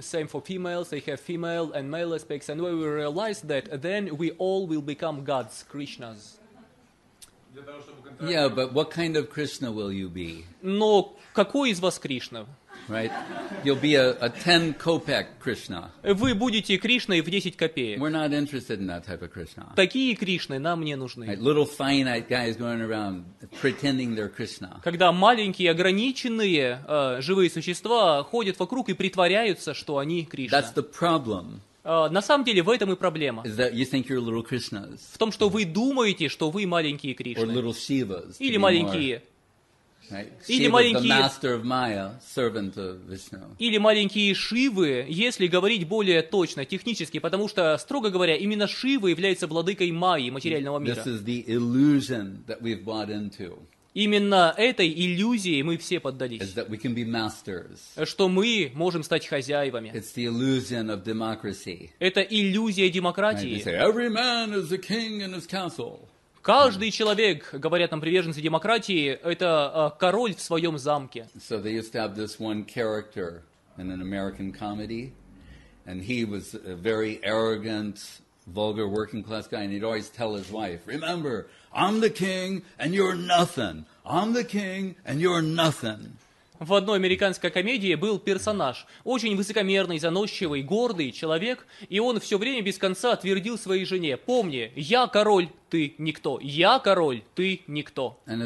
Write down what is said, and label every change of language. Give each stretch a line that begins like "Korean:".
English: Same for females, they have female and male aspects. And when we realize that, then we all will become gods, Krishnas. Yeah, but what kind of Krishna will you be?
Russian: Но какой из вас Кришна?
English: Right, you'll be a 10 kopeck Krishna.
Russian: Вы будете Кришной в 10 копеек.
English: We're not interested in that type of Krishna.
Russian: Такие Кришны нам не нужны.
English: Right. Little finite guys going around pretending they're Krishna.
Russian: Когда маленькие ограниченные живые существа ходят вокруг и притворяются, что они Кришна.
English: That's the problem.
Russian: На самом деле в этом и проблема.
English: Is that you think you're little Krishnas?
Russian: В том, что вы думаете, что вы маленькие Кришны.
English: Or little Shivas.
Russian: Или маленькие.
English: Right.
Russian: Или маленькие,
English: the master of Maya, servant of Vishnu.
Russian: Или маленькие Шивы, если говорить более точно, технически, потому что, строго говоря, именно Шива является владыкой Майи, материального мира.
English: This is the illusion that we've bought into.
Russian: Именно этой иллюзии мы все поддались.
English: Is that we can be masters.
Russian: Что мы можем стать хозяевами.
English: It's the illusion of democracy.
Russian: Это иллюзия демократии.
English: Right. They say, every man is a king in his castle.
Russian: Каждый человек, говорят нам приверженцы демократии, это король в своем замке.
English: So they used to have this one character in an American comedy, and he was a very arrogant, vulgar working class guy, and he'd always tell his wife, "Remember, I'm the king and you're nothing. I'm the king and you're nothing."
Russian: В одной американской комедии был персонаж, очень высокомерный, заносчивый, гордый человек, и он все время без конца твердил своей жене: «Помни, я король, ты никто. Я король, ты никто».